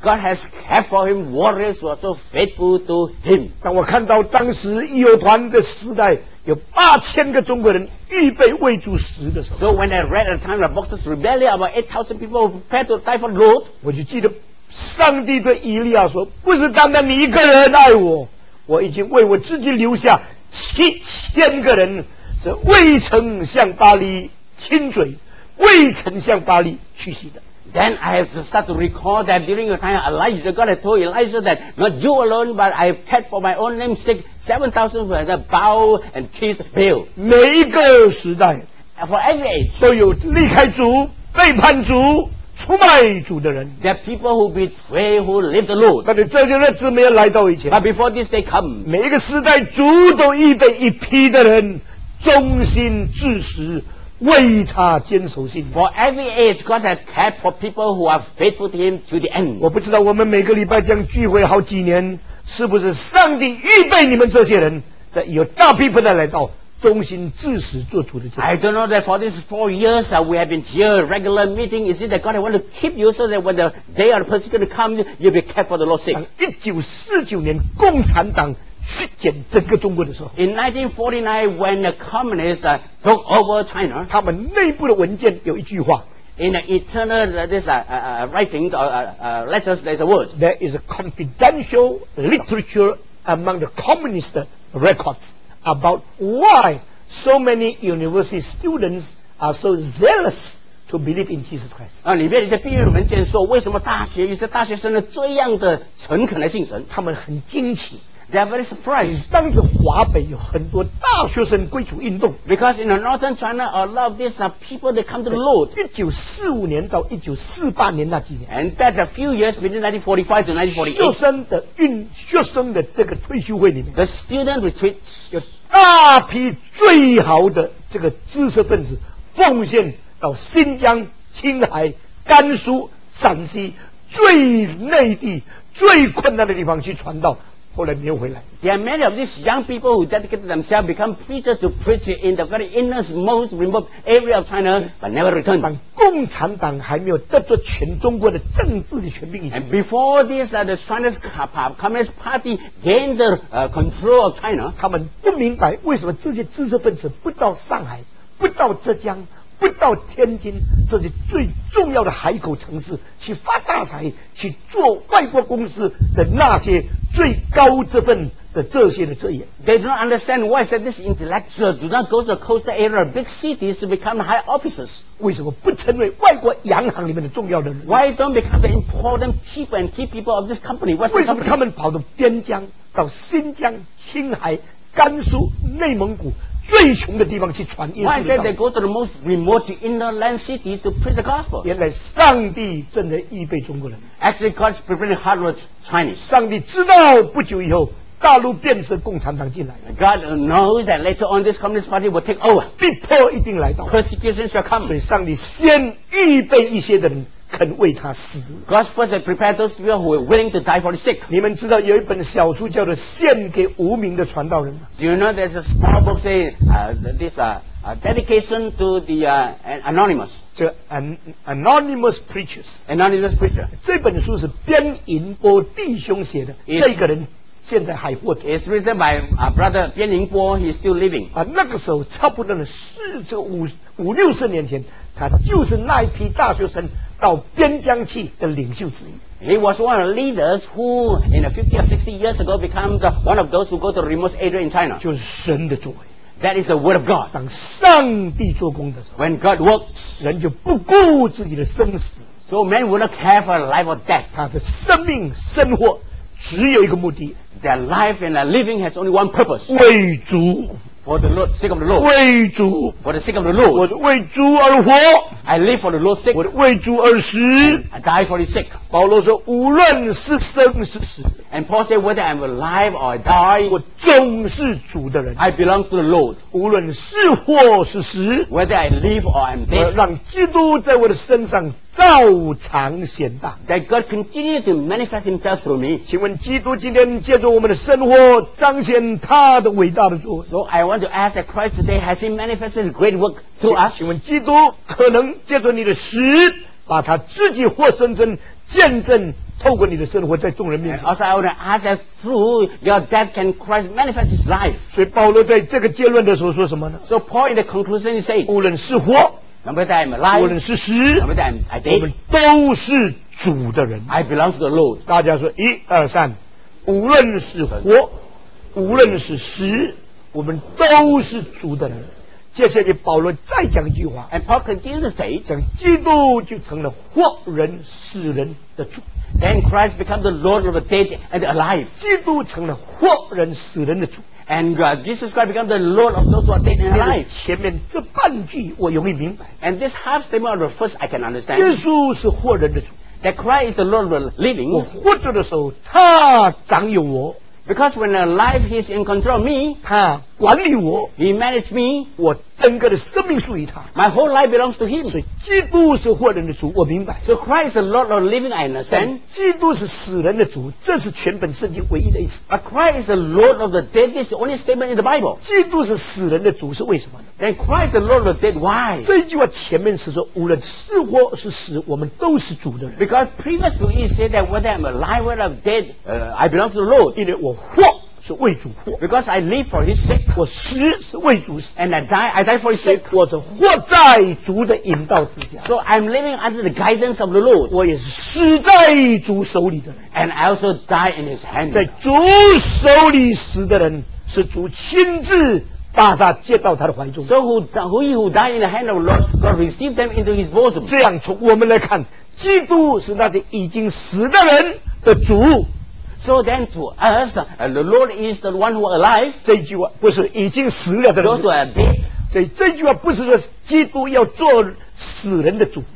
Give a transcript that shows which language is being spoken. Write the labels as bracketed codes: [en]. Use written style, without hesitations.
[en] God has kept for him warriors who are so faithful to him [zh] 当我看到当时义友团的时代有八千个中国人预备为主死的时候 [en] So when I read at the time of the Boxers Rebellion about 8,000 people prepared to die for the Lord [zh] 我就记得上帝对以利亚说不是单单你一个人爱我我已经为我自己留下七千个人是未曾向巴黎亲嘴未曾向巴黎屈膝的 [en] Then I have to start to recall that during the time of Elijah, God had told Elijah that not you alone, but I have kept for my own name's sake 7,000 who have bowed and kissed Baal. [zh] 每一个时代 [en] For every age, [zh] 都有离开主、背叛主、出卖主的人。 [en] There are people who betray, who leave the Lord. [zh] 但是这些日子没有来到以前。 [en] But before this day come, [zh] 每一个时代主都预备一批的人忠心至死为他坚守信 [en] For every age, God has kept for people who are faithful to him to the end. [zh] 我不知道我们每个礼拜将聚会好几年是不是上帝预备你们这些人在有大批的来到忠心至死做主的事 [en] I don't know that for these 4 years we have been here regular meeting is it that God wants to keep you so that when the day of the persecution comes you'll be kept for the Lord's sake [zh] 1949年共产党席卷整个中国的时候 [en] In 1949 when the communists took over China [zh] 他们内部的文件有一句话 [en] In the internal writing letters there's a word There is a confidential literature among the communist recordsAbout why so many university students are so zealous to believe in Jesus Christ. [zh] 啊，里面一些毕业文件说，为什么大学一些大学生的这样的诚恳的信神？他们很惊奇。 [en] They are very surprised. [zh] 当时华北有很多大学生归主运动。 [en] Because in the northern China, a lot of these people they come to the Lord. [zh] 1945年到1948年那几年。 [en] And that's a few years between 1945 to 1948. [zh] 学生的这个退休会里面。 [en] The student retreats. [zh] 有大批最好的这个知识分子奉献到新疆、青海、甘肃、陕西最内地、最困难的地方去传道。后来没有回来。 [en] There are many of these young people who dedicated themselves become preachers to preach in the very innermost remote area of China, but never returned. [zh] 当共产党还没有得着全中国的政治的权柄以前 [en] ，And before this, the Chinese Communist Party gained the control of China. [zh] 他们不明白为什么这些知识分子不到上海，不到浙江。不到天津这些最重要的海口城市去发大财去做外国公司的那些最高职分的这些的职业 [en] They don't understand why said this intellectual do not go to the coastal area of big cities to become high officers [zh] 为什么不成为外国洋行里面的重要的人 [en] Why don't become the important people and key people of this company [zh] 为什么他们跑到边疆到新疆青海甘肃内蒙古最穷的地方去传耶稣的道。 [en] Why then they go to the most remote inland city to preach the gospel? [zh] 原来上帝正在预备中国人。 [en] Actually, God's preparing hundreds of Chinese. [zh] 上帝知道不久以后大陆变成共产党进来了。 [en] God knows that later on this Communist Party will take over. [zh] 逼迫一定来到。 [en] Persecution shall come. [zh] 所以上帝先预备一些的人肯为他死。 [en] God first prepared those people who were willing to die for the sick. [zh] 你们知道有一本小书叫做《献给无名的传道人》吗 [en] ？Do you know there's a small book saying dedication to the anonymous. [zh] 叫 [en] Anonymous Preachers Anonymous Preacher [zh] 这本书是边银波弟兄写的 [en] it's, [zh] 这个人现在还活着 [en] It's written by a brother 边银波 He's still living [zh] 啊，那个时候差不多是这五六十年前他就是那一批大学生到边疆去的领袖之一 [en] He was one of the leaders who in the 50 or 60 years ago became the, one of those who go to the remote area in China [zh] 就是神的作为 [en] That is the word of God. [zh] 当上帝做工的时候 [en] When God works, [zh] 人就不顾自己的生死 [en] So man would not care for life or death. [zh] 他的生命生活只有一个目的 [en] Their life and their living has only one purpose. [zh] 为主 [en] For the Lord, sake of the Lord. [zh] 为主 [en] For the sake of the Lord. [zh] 我为主而活 [en] I live for the Lord's sake. [zh] 我为主而死 [en] I die for his sake. [zh] 保罗说无论是生是死 [en] And Paul said, whether I'm alive or I die, [zh] 我总是主的人 [en] I belong to the Lord. [zh] 无论是或是死 [en] whether I live or I'm dead, [zh] 让基督在我的身上照常显大 [en] that God continue to manifest himself through me. [zh] 请问基督今天借助我们的生活彰显他的伟大的作为 [en] So I want to ask that Christ today, has he manifested his great work through us? [zh] 请问基督可能借助你的死把他自己活生生见证透过你的生活在众人面前 [en] Also I would ask that through your death can Christ manifest his life [zh] 所以保罗在这个结论的时候说什么呢 [en] So Paul in the conclusion he said [zh] 无论是活 [en] Number that I'm alive [zh] 无论是死 [en] Number that I'm dead [zh] 我们都是主的人 [en] I belong to the Lord [zh] 大家说一二三无论是活无论是死我们都是主的人接下来保罗再讲一句话 [en] And Paul continued to say [zh] 讲基督就成了活人死人的主 [en] Then Christ became the Lord of the dead and the alive. [zh] 基督成了活人死人的主。 [en] And Jesus Christ became the Lord of those who are dead and alive. [zh] 前面这半句我容易明白。 [en] And this half statement of the first I can understand. [zh] 耶稣是活人的主。 [en] That Christ is the Lord of the living. [zh] 我活着的时候他掌有我。 [en] Because when alive he is in control of me. [zh] 他管理我。 [en] He managed me. [zh] 我整个的生命属于他。 [en] My whole life belongs to him. [zh] 所以基督是活人的主我明白。 [en] So Christ is the Lord of the living, I understand. [zh] 基督是死人的主这是全本圣经唯一的意思。 [en] But Christ is the Lord of the dead, this is the only statement in the Bible. [zh] 基督是死人的主是为什么呢 [en] Then Christ is the Lord of the dead, why? [zh] 这句话前面是说无论是活是死我们都是主的人。 [en] Because previously he said that whether I'm alive or I'm dead, I belong to the Lord. [zh] 因为我活。是为主活 [en] Because I live for his sake [zh] 我死是为主死 [en] And I die for his sake [zh] 我是活在主的引导之下 [en] So I'm living under the guidance of the Lord [zh] 我也是死在主手里的人 [en] And I also die in his hand [zh] 在主手里死的人是主亲自把他接到他的怀中 [en] So who die in the hand of the Lord God received them into his bosom [zh] 这样从我们来看基督是那些已经死的人的主 [en] So then to us, the Lord is the one who alive. [zh] 这句话不是已经死了的人。 [en] Those who are dead. [zh] 所以这句话不是说基督要做死人的主。